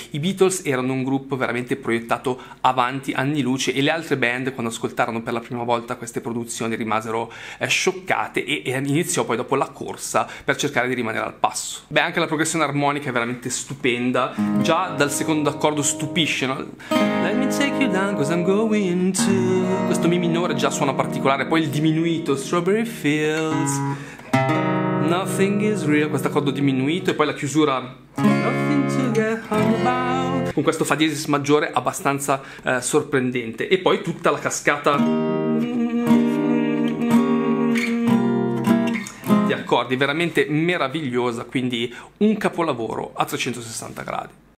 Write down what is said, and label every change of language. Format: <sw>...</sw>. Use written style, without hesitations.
<it>I Beatles erano un gruppo veramente proiettato avanti anni luce, e le altre band, quando ascoltarono per la prima volta queste produzioni, rimasero scioccate, e iniziò poi dopo la corsa per cercare di rimanere al passo. Beh, anche la progressione armonica è veramente stupenda, già dal secondo accordo stupisce, no?</it> <en>Let me take you down, 'cause I'm going to...</en> <it>Questo mi minore già suona particolare, poi il diminuito, Strawberry Fields,</it> <en>nothing is real,</en> <it>questo accordo diminuito, e poi la chiusura,</it> <en>nothing to get hung about,</en> <it>con questo fa diesis maggiore abbastanza sorprendente, e poi tutta la cascata di accordi, veramente meravigliosa, quindi un capolavoro a 360 gradi.</it>